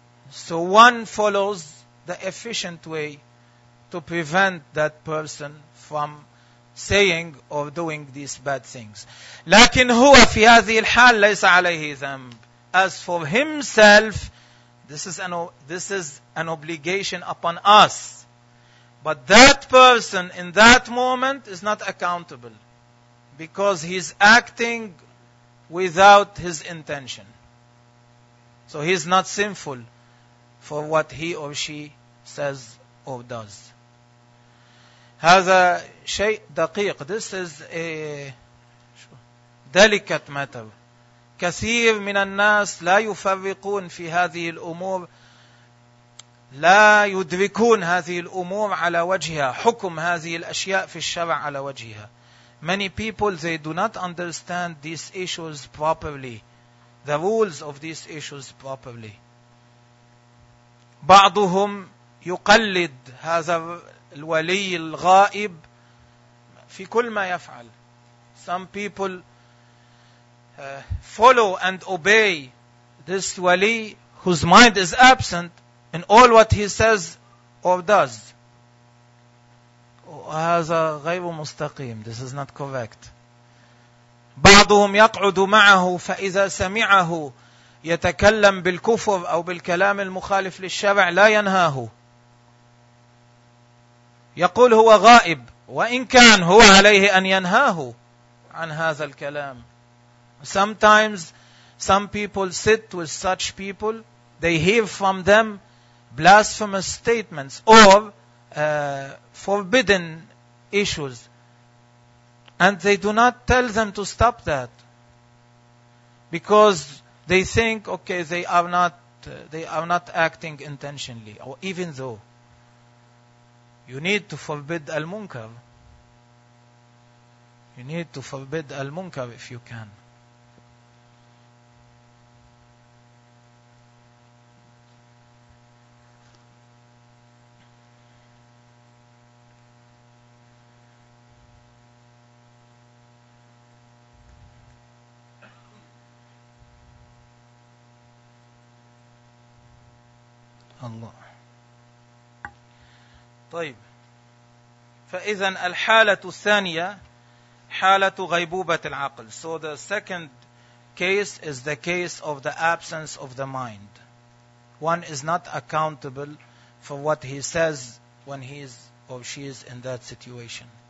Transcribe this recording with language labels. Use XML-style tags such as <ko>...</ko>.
<en>So one follows the efficient way to prevent that person from saying or doing these bad things.</en> <ar>لكن هو في هذه الحال ليس عليه ذنب.</ar> <en>As for himself, this is an obligation upon us. But that person in that moment is not accountable because he's acting without his intention. So he's not sinful for what he or she says or does.</en> <ar>هذا شيء دقيق.</ar> <en>This is a delicate matter.</en> <ar>كثير من الناس لا يفرقون في هذه الأمور، لا يدركون هذه الأمور على وجهها، حكم هذه الأشياء في الشرع على وجهها.</ar> <en>Many people, they do not understand these issues properly, the rules of these issues properly.</en> <ar>بعضهم يقلد هذا الولي الغائب في كل ما يفعل.</ar> <en>Some people follow and obey this wali whose mind is absent in all what he says or does.</en> <ar>هذا غير مستقيم.</ar> <en>This is not correct.</en> <ar>بعضهم يقعد معه فإذا سمعه يتكلم بالكفر أو بالكلام المخالف للشرع لا ينهاه. يقول هو غائب، وإن كان هو عليه أن ينهاه عن هذا الكلام.</ar> <en>Sometimes some people sit with such people, they hear from them blasphemous statements or forbidden issues, and they do not tell them to stop that because they think, okay, they are not acting intentionally, or even though you need to forbid al-munkar, you need to forbid al-munkar if you can.</en> <ar>الله. طيب، فإذا الحالة الثانية حالة غيبوبة العقل.</ar> <en>So the second case is the case of the absence of the mind. One is not accountable for what he says when he is or she is in that situation.</en>